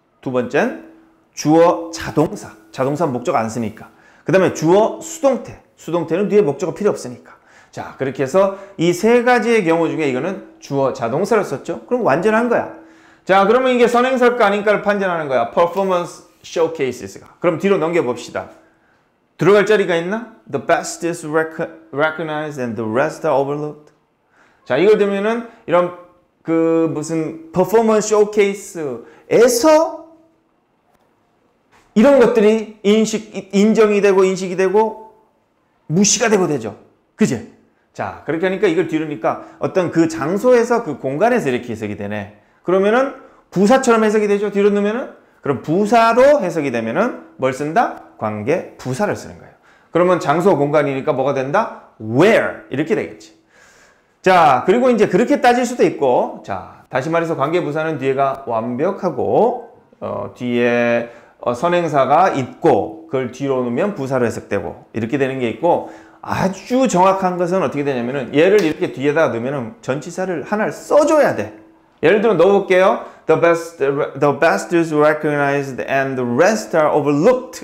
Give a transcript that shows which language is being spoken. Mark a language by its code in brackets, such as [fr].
[ko] 두 번째는 주어, 자동사. 자동사는 목적어 안 쓰니까. 그 다음에 주어, 수동태. 수동태는 뒤에 목적어 필요 없으니까. 자, 그렇게 해서 이 세 가지의 경우 중에 이거는 주어, 자동사를 썼죠? 그럼 완전한 거야. 자, 그러면 이게 선행사일까 아닌가를 판단하는 거야. [en] Performance showcases [ko] 가. 그럼 뒤로 넘겨봅시다. 들어갈 자리가 있나? [en] The best is recognized and the rest are overlooked. [ko] 자, 이걸 들면은 이런 그 무슨 퍼포먼스 쇼케이스에서 이런 것들이 인정이 되고 인식이 되고 무시가 되고 되죠. 그지? 자, 그렇게 하니까 이걸 뒤로니까 어떤 그 장소에서 그 공간에서 이렇게 해석이 되네. 그러면은 부사처럼 해석이 되죠. 뒤로 넣으면은. 그럼 부사로 해석이 되면은 뭘 쓴다? 관계 부사를 쓰는 거예요. 그러면 장소 공간이니까 뭐가 된다? Where 이렇게 되겠지. 자, 그리고 이제 그렇게 따질 수도 있고, 자, 다시 말해서 관계 부사는 뒤에가 완벽하고 뒤에 선행사가 있고 그걸 뒤로 놓으면 부사로 해석되고 이렇게 되는 게 있고, 아주 정확한 것은 어떻게 되냐면은 얘를 이렇게 뒤에다 넣으면은 전치사를 하나를 써줘야 돼. 예를 들어 넣어볼게요. [en] The best is recognized and the rest are overlooked.